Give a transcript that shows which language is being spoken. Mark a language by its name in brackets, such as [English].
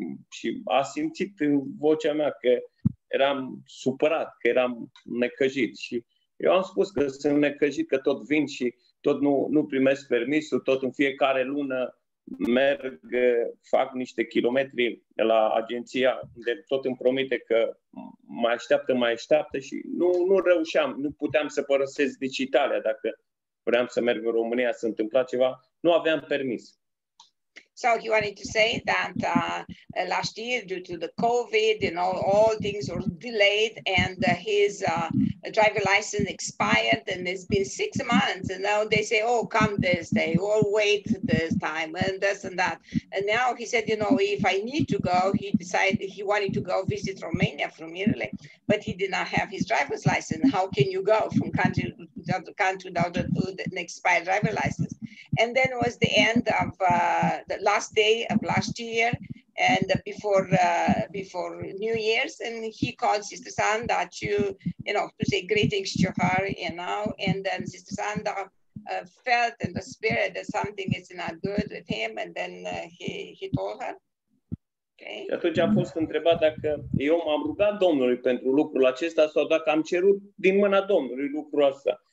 [Romanian] și a simțit în vocea mea că eram supărat, că eram necăjit și eu am spus că sunt necăjit, că tot vin și tot nu primesc permisul, tot în fiecare lună merg, fac niște kilometri la agenția, de tot îmi promite că mă așteaptă și nu reușeam, nu puteam să părăsesc nici Italia dacă vreau să merg în România, să întâmpla ceva, nu aveam permis. [English] So he wanted to say that last year, due to the COVID, you know, all things were delayed, and his driver license expired, and it's been 6 months. And now they say, oh, come this day, or wait this time, and this and that. And now he said, you know, if I need to go, he decided he wanted to go visit Romania from Italy, but he did not have his driver's license. How can you go from country to country without an expired driver license? And then was the end of the last day of last year, and before New Year's, and he called Sister Sandra to say greetings to her, you know. And then Sister Sandra felt in the spirit that something is not good with him, and then he told her. Okay. [Romanian] Atunci a fost întrebat dacă eu m-am rugat Domnului pentru lucrul acesta sau dacă am cerut din mâna Domnului lucrul ăsta.